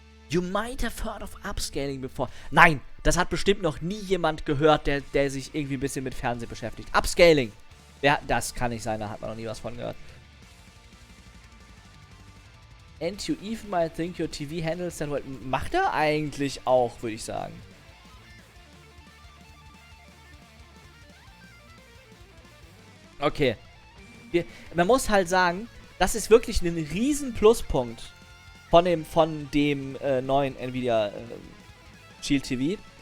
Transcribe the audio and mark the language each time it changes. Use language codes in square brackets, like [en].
[en] You might have heard of Upscaling before. [de] Nein, das hat bestimmt noch nie jemand gehört, der sich irgendwie ein bisschen mit Fernsehen beschäftigt. Upscaling. Ja, das kann nicht sein, da hat man noch nie was von gehört. [en] And you even might think your TV handles that well. [de] Macht er eigentlich auch, würde ich sagen. Okay. Man muss halt sagen, das ist wirklich ein riesen Pluspunkt von dem neuen Nvidia Shield TV.